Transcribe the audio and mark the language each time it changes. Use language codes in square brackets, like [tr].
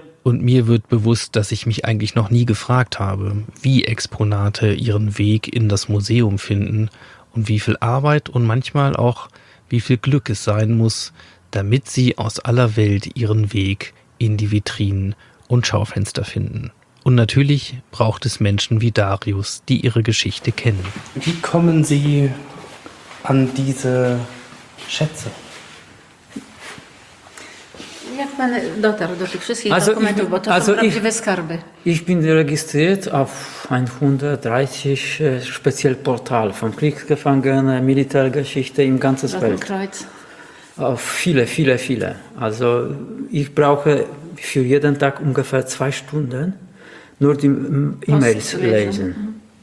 [de] Und mir wird bewusst, dass ich mich eigentlich noch nie gefragt habe, wie Exponate ihren Weg in das Museum finden und wie viel Arbeit und manchmal auch wie viel Glück es sein muss, damit sie aus aller Welt ihren Weg in die Vitrinen und Schaufenster finden. Und natürlich braucht es Menschen wie Darius, die ihre Geschichte kennen. Wie kommen Sie an diese Schätze? [pl] Jak pan dotarł do tych wszystkich dokumentów, bo to są prawdziwe skarby? [de] Ich bin registriert auf 130 speziell Portal von Kriegsgefangenen, Militärgeschichte im ganzen Welt. Rote Kreuz. Auf viele, viele, viele. Also ich brauche für jeden Tag ungefähr 2 Stunden nur die E-Mails lesen.